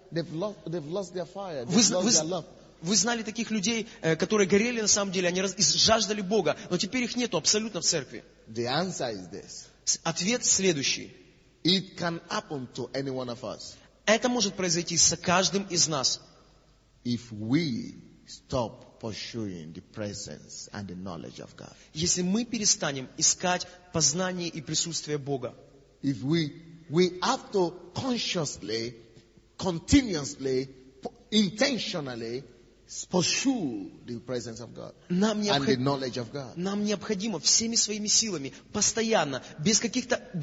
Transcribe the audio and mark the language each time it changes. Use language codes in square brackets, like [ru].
[ru] Вы знали таких людей, которые горели на самом деле, они жаждали Бога, но теперь их нету абсолютно в церкви. [en] The answer is this. [ru] Ответ следующий. [en] It can happen to any one of us. [ru] Это может произойти с каждым из нас. [en] If we stop pursuing the presence and the knowledge of God. [ru] Если мы перестанем искать познание и присутствие Бога. [en] If we have to consciously, continuously, intentionally pursue the presence of God and the knowledge of God. [ru] Нам необходимо всеми своими силами постоянно, без каких-то